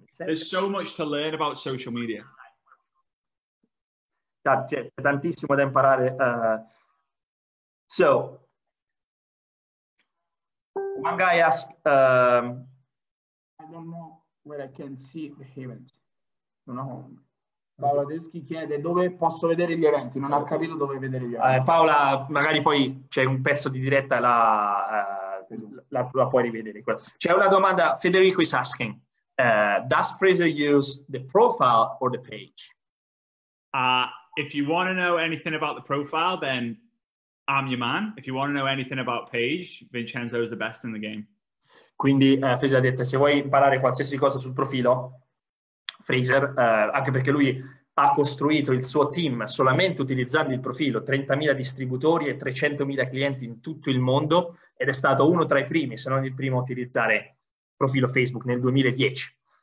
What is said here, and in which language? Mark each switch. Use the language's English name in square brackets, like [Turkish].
[English] There's so much to learn about social media. [Italian] C'è tantissimo da imparare. [English] So, one guy asked... I don't know where I can see the event. [Italian] Non ho... Paola Deschi chiede dove posso vedere gli eventi. Non ha capito dove vedere gli eventi. Paola, magari poi c'è un pezzo di diretta e la puoi rivedere. C'è una domanda. [English] Federico is asking, does Fraser use the profile or the page? If you want to know anything about the profile, then I'm your man. If you want to know anything about page, Vincenzo is the best in the game. [Italian] Quindi Fraser ha detto, se vuoi imparare qualsiasi cosa sul profilo, Fraser, anche perché lui ha costruito il suo team solamente utilizzando il profilo, 30.000 distributori e 300.000 clienti in tutto il mondo, ed è stato uno tra i primi, se non il primo, a utilizzare profilo Facebook nel 2010.